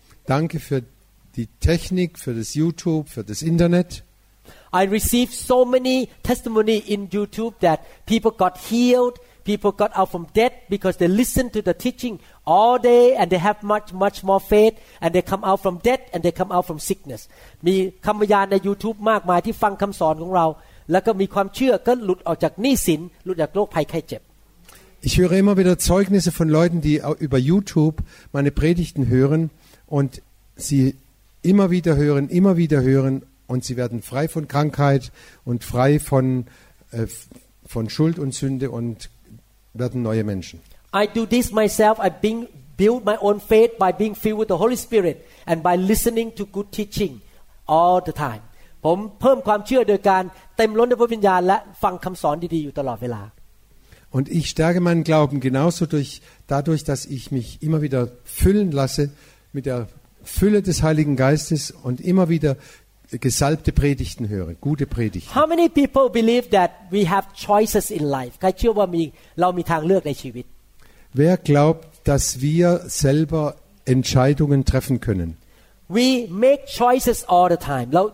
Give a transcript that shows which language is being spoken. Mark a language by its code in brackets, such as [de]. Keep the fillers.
[de] Danke für die Technik für das YouTube für das Internet [en] I received so many testimony in YouTube that people got healed people got out from debt because they listened to the teaching all day and they have much much more faith and they come out from debt and they come out from sickness [th] มีคำพยานใน YouTube มากมายที่ฟังคำสอนของเราแล้วก็มีความเชื่อก็หลุดออกจากหนี้สินหลุดจากโรคภัยไข้เจ็บ [de] Ich höre immer wieder Zeugnisse von Leuten, die über YouTube meine Predigten hören und sie immer wieder hören, immer wieder hören und sie werden frei von Krankheit und frei von, äh, von Schuld und Sünde und werden neue Menschen. [en] I do this myself. I being, build my own faith by being filled with the Holy Spirit and by listening to good teaching all the time. [th] ผมเพิ่มความเชื่อโดยการเต็มล้นด้วยพระวิญญาณและฟังคําสอนดีๆอยู่ตลอดเวลา [de] ich stärke meinen Glauben genauso durch, dadurch, dass ich mich immer wieder füllen lasse mit der Fülle des Heiligen Geistes und immer wieder gesalbte Predigten höre, gute Predigten. [en] How many people believe that we have choices in life? [th] ใครเชื่อว่ามีเรามีทางเลือกในชีวิต? [de] Wer glaubt, dass wir selber Entscheidungen treffen können? [en] We make choices all the time.